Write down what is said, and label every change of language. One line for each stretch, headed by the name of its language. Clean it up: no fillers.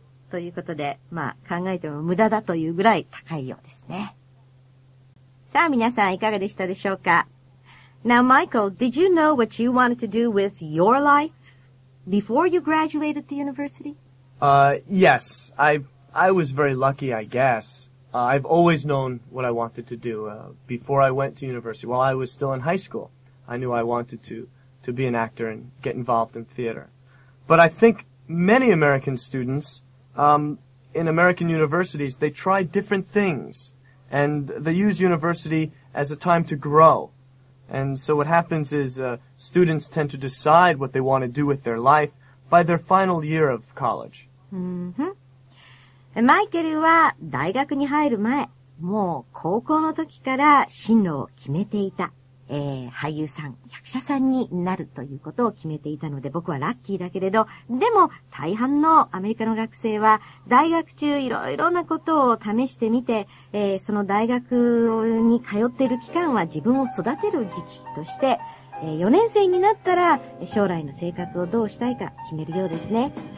Japanese: ということで、まあ、考えても無駄だというぐらい高いようですね。さあ、皆さんいかがでしたでしょうか?
English: Now, Michael, did you know what you wanted to do with your life before you graduated the university? Yes. I was very lucky, I guess. I've always known what I wanted to do before I went to university. While I was still in high school, I knew I wanted to be an actor and get involved in theater. But I think many American students, in American universities, they try different things. And they use university as a time to grow. And so what happens is students tend to decide what they want to do with their life by their final year of college. Mm-hmm.
Japanese: マイケルは大学に入る前、もう高校の時から進路を決めていた。俳優さん、役者さんになるということを決めていたので、僕はラッキーだけれど、でも大半のアメリカの学生は大学中いろいろなことを試してみて、その大学に通っている期間は自分を育てる時期として、4年生になったら将来の生活をどうしたいか決めるようですね。